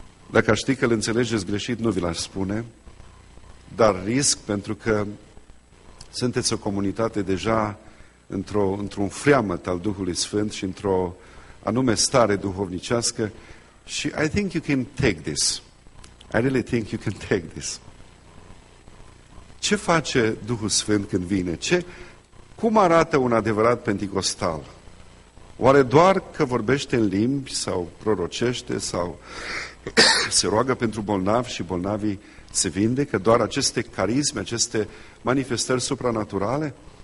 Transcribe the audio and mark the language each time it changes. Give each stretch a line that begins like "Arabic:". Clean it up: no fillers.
Romanian: Dacă aș ști că îl înțelegeți greșit, nu vi l-aș spune, dar risc, pentru că sunteți o comunitate deja într-un freamăt al Duhului Sfânt și într-o anume stare duhovnicească, și
English: I think you can take this. I really think you can take this.
Romanian: Ce face Duhul Sfânt când vine? Cum arată un adevărat penticostal? Oare doar că vorbește în limbi sau prorocește sau se roagă pentru bolnavi și bolnavii se vindecă? Doar aceste carisme, aceste manifestări supranaturale?